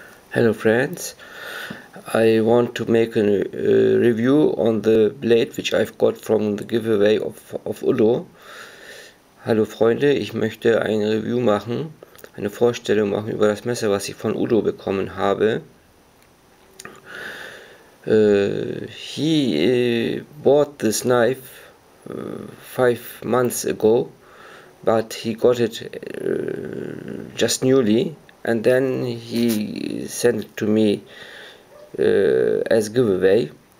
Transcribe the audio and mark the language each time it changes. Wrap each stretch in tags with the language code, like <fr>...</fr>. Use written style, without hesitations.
<en>Hello friends, I want to make a review on the blade which I've got from the giveaway of Ullo.</en> <de>Hallo Freunde, ich möchte ein Review machen, eine Vorstellung machen über das Messer, was ich von Ullo bekommen habe.</de> <en>He bought this knife 5 months ago, but he got it just newly. And then he sent it to me as giveaway.</en>